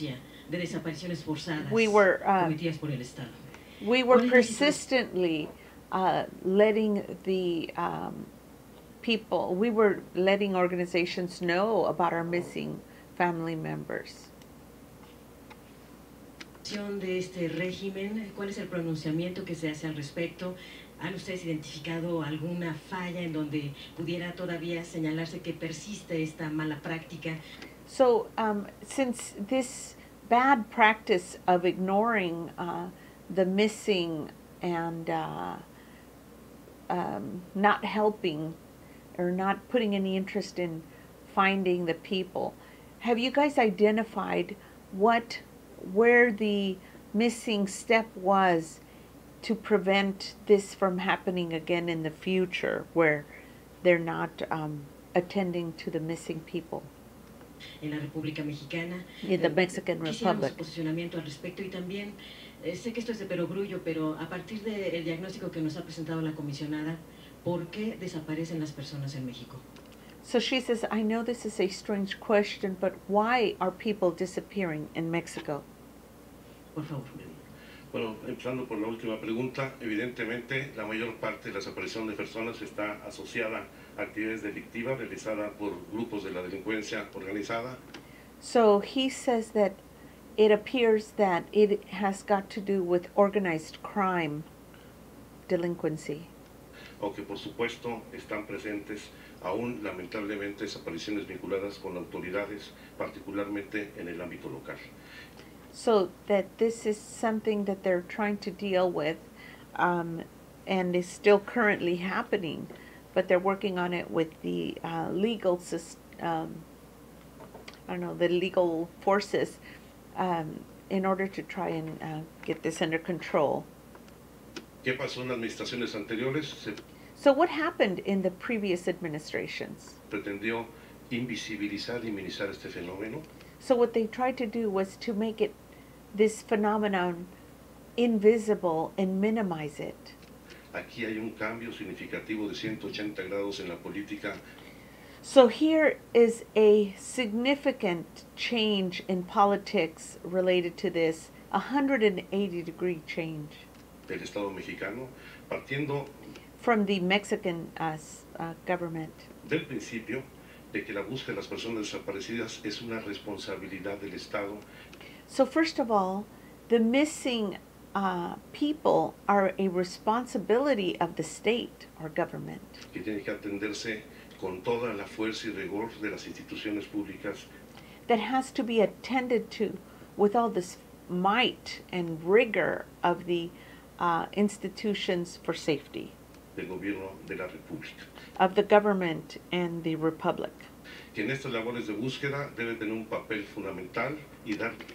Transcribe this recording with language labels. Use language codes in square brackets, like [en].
[es] de desapariciones forzadas [en] we were [es] cometidas por el Estado. [en] We were persistently letting the people, we were letting organizations know about our missing family members. [es] De este régimen, ¿cuál es el pronunciamiento que se hace al respecto? ¿Han ustedes identificado alguna falla en donde pudiera todavía señalarse que persiste esta mala práctica? [en] So, since this bad practice of ignoring the missing and not helping or not putting any interest in finding the people, have you guys identified where the missing step was to prevent this from happening again in the future, where they're not attending to the missing people? [es] En la República Mexicana, [en] in the Mexican Republic. [es] Posicionamiento al respecto y también sé que esto es de perogrullo, pero a partir del diagnóstico que nos ha presentado la comisionada, ¿por qué desaparecen las personas en México? [en] So she says, I know this is a strange question, but why are people disappearing in Mexico? [es] Por favor. Bueno, empezando por la última pregunta, evidentemente la mayor parte de la desaparición de personas está asociada a actividades delictivas realizadas por grupos de la delincuencia organizada. [en] So he says that it appears that it has got to do with organized crime, delinquency. [es] O que por supuesto están presentes aún lamentablemente desapariciones vinculadas con autoridades, particularmente en el ámbito local. [en] So that this is something that they're trying to deal with and is still currently happening, but they're working on it with the legal system, the legal forces in order to try and get this under control. [es] ¿Qué pasó en administraciones anteriores? [en] So what happened in the previous administrations? [es] Pretendió invisibilizar y minimizar este fenómeno. [en] So what they tried to do was to make it this phenomenon invisible and minimize it. [es] Aquí hay un cambio significativo de 180 grados en la política. [en] So here is a significant change in politics related to this, 180 degree change. [es] Del Estado mexicano, partiendo [en] from the Mexican government. [es] Del principio de que la búsqueda de las personas desaparecidas es una responsabilidad del Estado. [en] So first of all, the missing people are a responsibility of the state or government. [es] Que tiene que atenderse con toda la fuerza y rigor de las instituciones públicas. [en] That has to be attended to with all this might and rigor of the institutions for safety. [es] Del gobierno de la República. [en] Of the government and the republic. [es] Que en estas labores de búsqueda debe tener un papel fundamental y dar.